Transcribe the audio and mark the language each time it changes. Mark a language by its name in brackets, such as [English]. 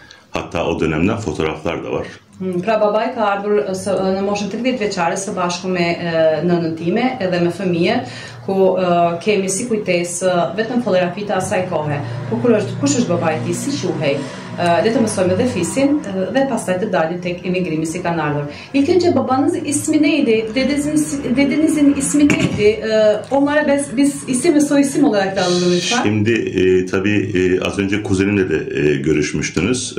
[Turkish] Hatta o dönemden fotoğraflar da var. [Albanian] Pra babaj ka ardhur në moshën 30 vjeçare së bashku me nënën time edhe me fëmijë, ku kemi si kujtesë vetëm fotografitë asaj kohe. Po kush është babaj ti, si quhej? Le të mësojmë edhe fisin dhe pastaj të dalim tek emigrimi si kanë ardhur. [Turkish] İlkë önce babanız ismi neydi? Dedenizin ismi neydi? Onlara biz isim ve soy isim olarak da alalım lütfen. Şimdi tabii az önce kuzenimle de görüşmüştünüz.